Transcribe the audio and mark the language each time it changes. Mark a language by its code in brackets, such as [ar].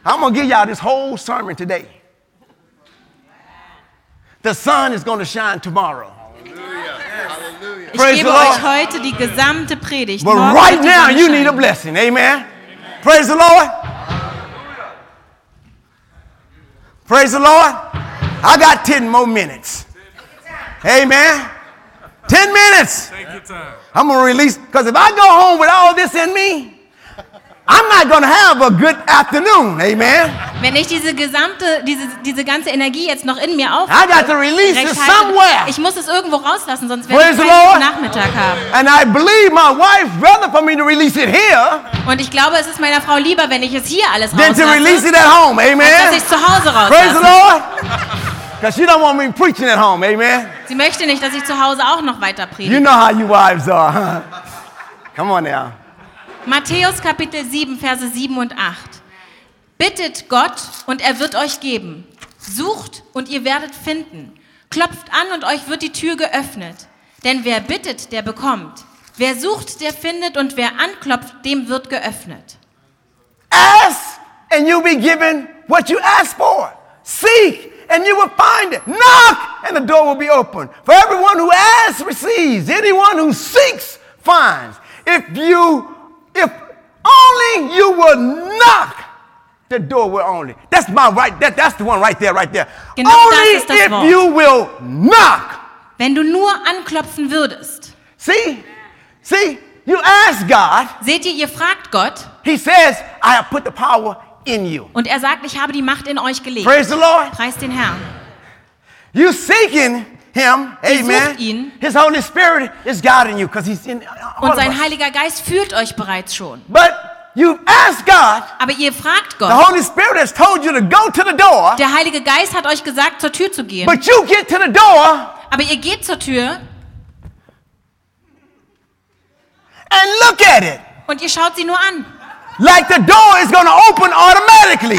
[en] I'm gonna give y'all this whole sermon today. The sun is going to shine tomorrow. Hallelujah. Praise the Lord. [de] Ich gebe euch heute die gesamte Predigt. [en] But right now you need a blessing. Amen. Praise the Lord. Praise the Lord. I got 10 more minutes. Amen. 10 minutes. I'm going to release. Because if I go home with all this in me, I'm not going to have a good afternoon. Amen. [de] Wenn ich diese ganze Energie jetzt noch in mir aufnehme, [en] I got to release it somewhere. [de] Ich muss es irgendwo rauslassen, sonst werde ich keinen Nachmittag haben. [en] And I believe my wife rather for me to release it here. [de] Und ich glaube, es ist meiner Frau lieber, wenn ich es hier alles rauslasse. [en] Than to release it at home. Amen. [de] Als dass ich es zu Hause rauslasse. [en] Praise the Lord. Because she don't want me preaching at home. Amen. [de] Sie möchte nicht, dass ich zu Hause auch noch weiter predige. [en] You know how you wives are. Come on now. [de] Matthäus Kapitel 7, Verse 7 und 8. Bittet Gott und er wird euch geben. Sucht und ihr werdet finden. Klopft an und euch wird die Tür geöffnet. Denn wer bittet, der bekommt. Wer sucht, der findet und wer anklopft, dem wird geöffnet. [en] Ask and you'll be given what you ask for. Seek and you will find it. Knock and the door will be open. For everyone who asks receives. Anyone who seeks finds. If only you will knock, the door will only. That's my right. That's the one right there, right there. [de] Genau [en] only [de] das ist das [en] if [de] Wort. [en] You will knock. [de] Wenn du nur anklopfen würdest. [en] See, you ask God. [de] Seht ihr fragt Gott. [en] He says, I have put the power in you. [de] Und sagt, ich habe die Macht in euch gelegt. [en] Praise the Lord. [de] Preist den Herrn. [en] You seeking him, amen. [de] Ihn. [en] His Holy Spirit is guiding you because he's in all [de] und sein Heiliger Geist führt euch bereits schon. [en] But you ask God. [de] Aber ihr fragt Gott. [en] The Holy Spirit has told you to go to the door. [de] Der Heilige Geist hat euch gesagt, zur Tür zu gehen. [en] But you get to the door. [de] Aber ihr geht zur Tür. [en] And look at it. [de] Und ihr schaut sie nur an. [en] Like the door is going to open automatically.